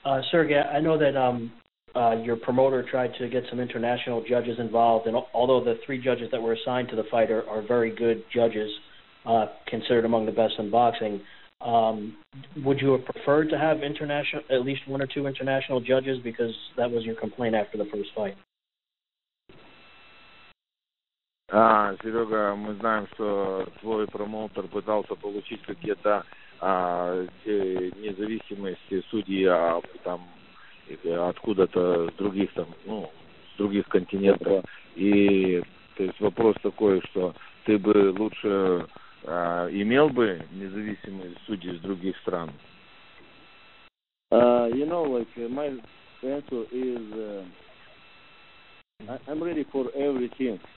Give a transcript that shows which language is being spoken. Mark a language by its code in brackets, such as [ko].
[en] Sergey, I know that your promoter tried to get some international judges involved, and although the three judges that were assigned to the fight are very good judges, considered among the best in boxing, would you have preferred to have international, at least one or two international judges, because that was your complaint after the first fight? [ru] А, Серега, мы знаем, что твой промоутер пытался получить какие-то независимости судьи, там откуда-то с других там, ну, с других континентов. И то есть вопрос такой, что ты бы лучше имел бы независимые судьи из других стран. [en] You know, like, my answer is I'm ready for everything.